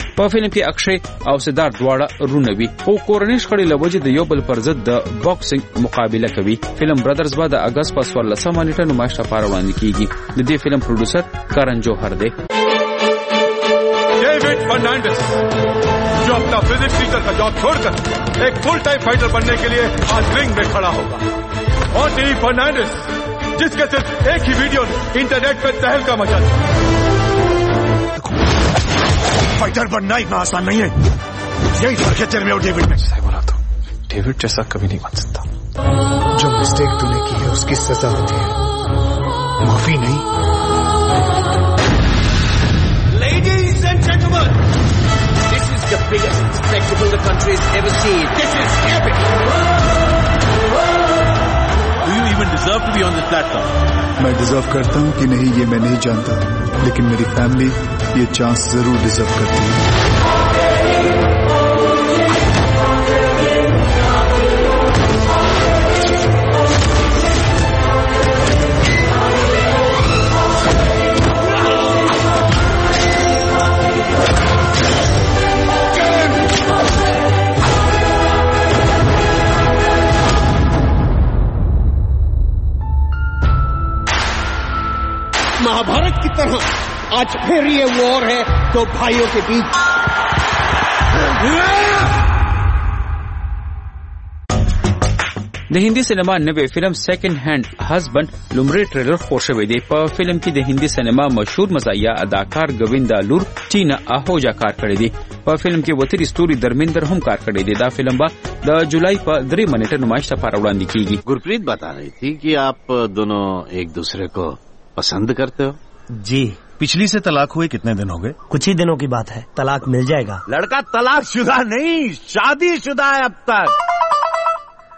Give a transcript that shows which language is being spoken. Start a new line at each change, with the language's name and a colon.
Pashto: په فلم کې اکشے او سیدارت دواړه رونه وي، خو کورنۍ شخړې له وجې د یو بل پر ضد د باکسنګ مقابله کوي. فلم برادرز به د اګست په 14 نیټه نمایش لپاره وړاندې کیږي. د دې فلم پروډوسر کرن جوهر دی.
Urdu: جو اپنا فزکس ٹیچر کا جاب چھوڑ کر ایک فل ٹائم فائٹر بننے کے لیے آج رنگ میں کھڑا ہوگا، اور ڈی فرنانڈس جس کے صرف ایک ہی ویڈیو نے انٹرنیٹ پہ تہلکہ مچا دیا. فائٹر بننا اتنا آسان نہیں ہے، یہی فرق ہے تیرے میں اور ڈیوڈ میں. صحیح بولا، تو ڈیوڈ جیسا کبھی نہیں بن سکتا. جو مسٹیک تو نے کی ہے اس کی سزا ہوتی ہے، معافی نہیں.
English: Ladies and gentlemen, the biggest spectacle the country's ever seen. This is epic. Do you even deserve to be on this platform?
Urdu: میں ڈیزرو کرتا ہوں کہ نہیں یہ میں نہیں جانتا، لیکن میری فیملی یہ چانس ضرور ڈیزرو کرتی ہے. بھارت کی طرح آج پھر یہ وار ہے دو بھائیوں کے بیچ.
Pashto: د هندی سینما نوې فلم سیکنڈ هینڈ هزبند لومړی ټریلر خپور شوی دی. په فلم کې د هندی سینما مشهور مزایا اداکار گویندا لور ٹینا آہوجا کار کړی دی. په فلم کې وتری ستوري درمندر هم کار کړی دی. دا فلم به د جولای په 3 منټه نمایش لپاره وړاندې کیږي.
Urdu: گرپریت بتا رہی تھی کہ آپ دونوں ایک دوسرے کو پسند کرتے ہو. جی. پچھلی سے طلاق ہوئے کتنے دن ہو گئے؟ کچھ ہی دنوں کی بات ہے، طلاق مل جائے گا. لڑکا طلاق شدہ نہیں، شادی شدہ ہے اب تک.